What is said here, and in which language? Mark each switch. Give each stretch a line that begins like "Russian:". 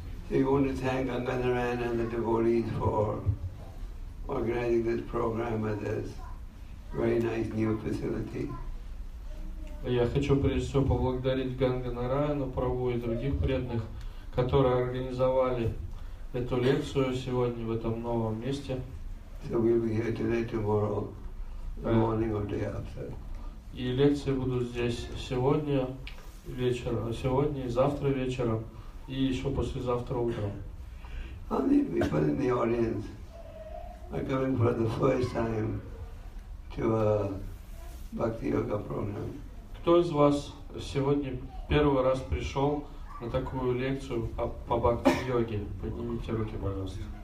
English: We want to thank Gangadharan and the devotees for organizing this program at this very nice new facility.
Russian: Я хочу прежде всего поблагодарить Ганганараяну, Прабху и других преданных, которые организовали эту лекцию сегодня в этом новом месте.
English: So we'll be here today, tomorrow, the morning or day after.
Russian: И лекции будут здесь сегодня вечером, сегодня и завтра вечером, и еще послезавтра утром.
English: How many people in the audience are coming for the first time to a bhakti-yoga program?
Russian: Кто из вас сегодня первый раз пришел на такую лекцию по бхакти-йоге? Поднимите руки, пожалуйста.